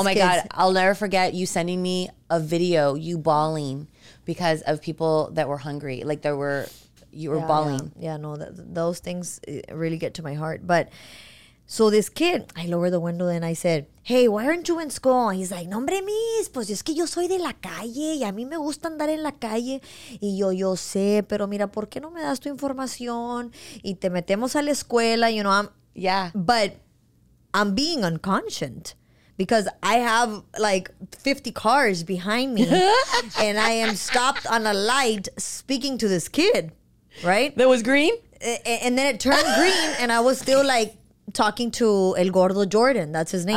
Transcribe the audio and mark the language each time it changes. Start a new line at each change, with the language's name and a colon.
English: Oh my God, I'll never forget you sending me a video, you bawling because of people that were hungry. Like you were bawling. Yeah, no, those things really get to my heart. But so this kid, I lower the window and I said, hey, why aren't you in school? He's like,
Spanish: no, hombre, mis, pues es que yo soy de la calle y a mí me gusta andar en la calle. Y yo sé, pero mira, ¿por qué no me das tu información? Y te metemos a la escuela,
English: you know. But I'm being unconscious because I have like 50 cars behind me and I am stopped on a light speaking to this kid, right? That was green? And then it turned green and I was still like, talking to El Gordo Jordan, that's his name.